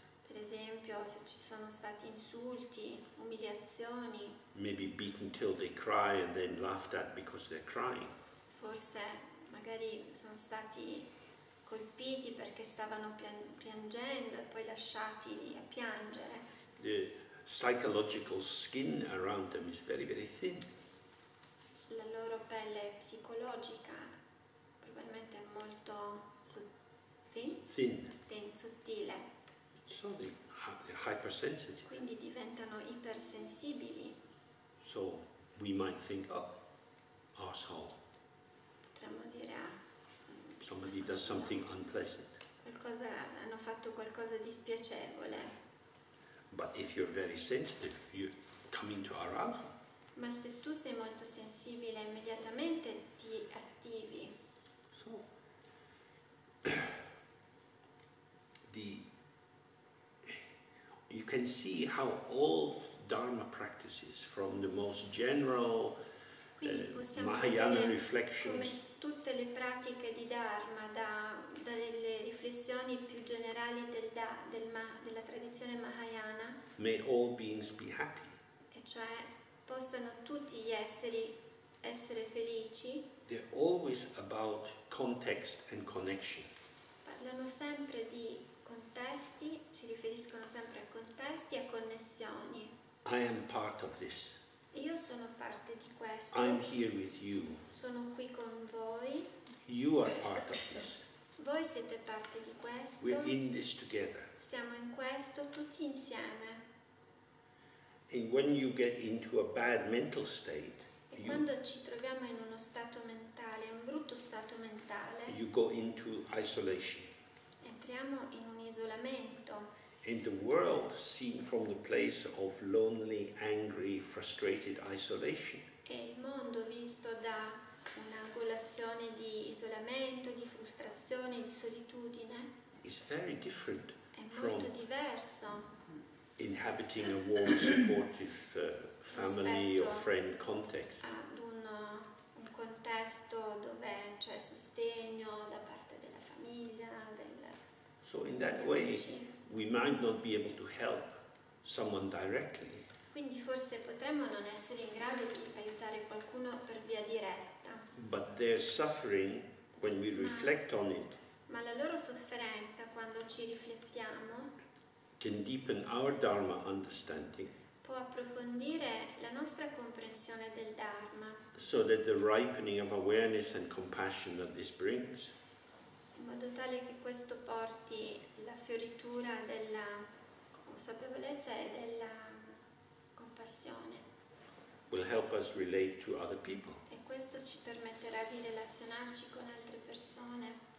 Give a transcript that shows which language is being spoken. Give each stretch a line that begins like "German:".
Italian: per esempio se ci sono stati insulti, umiliazioni,
English: maybe beaten till they cry and then laughed at because they're crying,
Italian: forse magari sono stati colpiti perché stavano piangendo e poi lasciati a piangere,
English: the psychological skin around them is very very thin.
Italian: La loro pelle psicologica probabilmente è molto sottile.
English: So they're hypersensitive.
Italian: Quindi diventano ipersensibili.
English: So we might think, oh, asshole.
Italian: Potremmo dire,
English: somebody does something unpleasant.
Italian: Qualcosa, hanno fatto qualcosa di spiacevole.
English: But if you're very sensitive, you come into arousal.
Italian: Ma se tu sei molto sensibile, immediatamente ti attivi.
English: So, the, you can see how all Dharma practices, from the most general Mahayana reflections,
Italian: come tutte le pratiche di Dharma, dalle riflessioni più generali della tradizione Mahayana,
English: may all beings be happy.
Italian: E cioè possano tutti gli esseri essere felici.
English: They're always about context and connection.
Italian: Parlano sempre di contesti, si riferiscono sempre a contesti e a connessioni.
English: I am part of this.
Italian: Io sono parte di questo.
English: I'm here with you.
Italian: Sono qui con voi.
English: You are part of this.
Italian: Voi siete parte di questo.
English: We're in this together.
Italian: Siamo in questo tutti insieme.
English: And when you get into a bad mental state,
Italian: e quando ci troviamo in uno stato mentale, un brutto stato mentale,
English: you go into isolation.
Italian: Entriamo in un isolamento.
English: And the world seen from the place of lonely, angry, frustrated isolation.
Italian: E il mondo visto da un'angolazione di isolamento, di frustrazione, di solitudine,
English: is very different.
Italian: È molto diverso.
English: Inhabiting a warm, supportive family or friend context.
Italian: Ad un contesto dove c'è sostegno da parte della famiglia,
English: so in that way we might not be able to help someone directly.
Italian: Quindi forse potremmo non essere in grado di aiutare qualcuno per via diretta.
English: But their suffering, when we reflect on it.
Italian: Ma la loro sofferenza quando ci riflettiamo.
English: Can deepen our Dharma understanding.
Italian: Può approfondire la nostra comprensione del Dharma.
English: So that the ripening of awareness and compassion that this brings.
Italian: In modo tale che questo porti la fioritura della consapevolezza e della compassione.
English: Will help us relate to other people. E
Italian: Questo ci permetterà di relazionarci con altre persone